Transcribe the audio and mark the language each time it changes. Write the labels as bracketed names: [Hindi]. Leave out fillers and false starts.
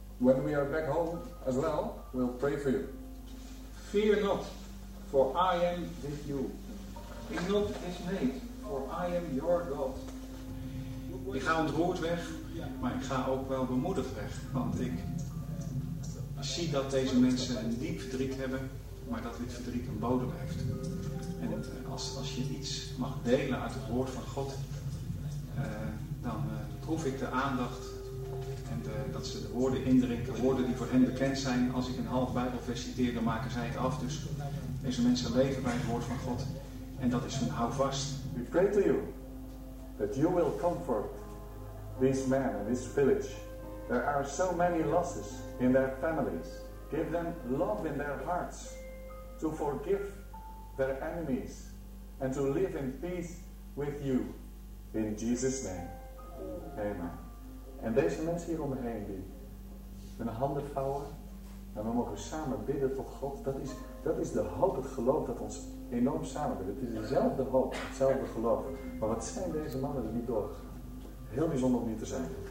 [English] When we are back home as well, we'll pray for you. Fear not, for I am with you. Be not dismayed, for I am your God. [Dutch] Ik ga ontroerd weg, maar ik ga ook wel bemoedigd weg. Want ik zie dat deze mensen een diep verdriet hebben, maar dat dit verdriet een bodem heeft. En als je iets mag delen uit het woord van God, dan proef ik de aandacht en dat ze de woorden indrinken, woorden die voor hen bekend zijn. Als ik een half Bijbelvers citeer, dan maken zij het af. Dus deze mensen leven bij het woord van God en dat is hun houvast. [English] We pray to you that you will comfort these men and this village. There are so many losses in their families. Give them love in their hearts to forgive their enemies and to live in peace with you. In Jesus' name. Amen. [Dutch] En deze mensen hier om me heen die hun handen vouwen en we mogen samen bidden tot God. Dat is de hoop, het geloof dat ons enorm samenbrengt. Het is dezelfde hoop, hetzelfde geloof. Maar wat zijn deze mannen er niet doorgegaan? Heel bijzonder om hier te zijn.